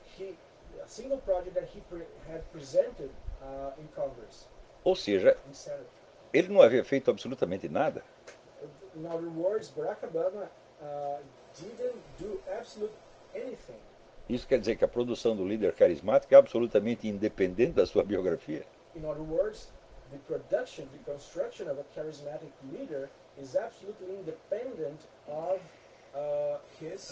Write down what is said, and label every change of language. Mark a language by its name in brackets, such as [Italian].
[English] A single project that he had presented in Congress. [Portuguese] Ou seja, ele não havia feito absolutamente nada. [English] In other words, Barack Obama didn't do absolutely anything. [Portuguese] Isso quer dizer que a produção do líder carismático é absolutamente independente da sua biografia. [English] In other words, the production, the construction of a charismatic leader is absolutely independent of his